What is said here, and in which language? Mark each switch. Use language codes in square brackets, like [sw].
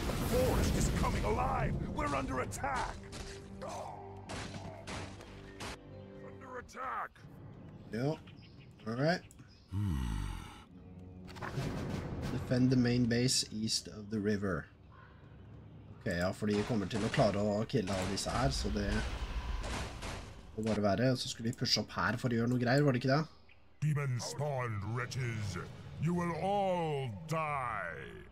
[en] Horde is coming alive! We're under attack! Under attack! Yep. Alright. Defend the main base east of the river. [no] Ok, ja, for de kommer til å klare å kille alle disse her, så det må bare være. Og så skulle vi pushe opp her for å gjøre noe greier, var det ikke det? [en] Demon spawned wretches, you will all die!